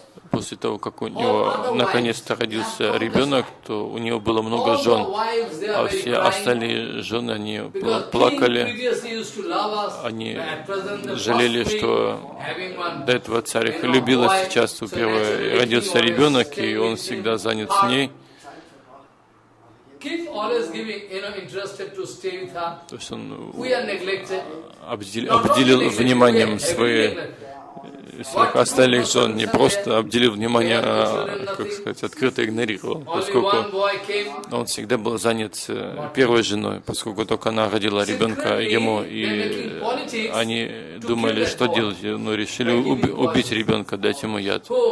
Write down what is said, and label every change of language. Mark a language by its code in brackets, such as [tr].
[ru] после того, как у него наконец-то родился ребенок, то у него было много жен, а все остальные жены, они плакали, они жалели, что до этого царь их любил, а сейчас у первого родился ребенок, и он всегда занят с ней. [en] Keep always giving, you know, interested to stay with her. [ru] То есть он обделил вниманием своих остальных жен, не просто обделил внимание, а, как сказать, открыто игнорировал, поскольку он всегда был занят первой женой, поскольку только она родила ребенка ему, и они думали, что делать, но решили убить ребенка, дать ему яд.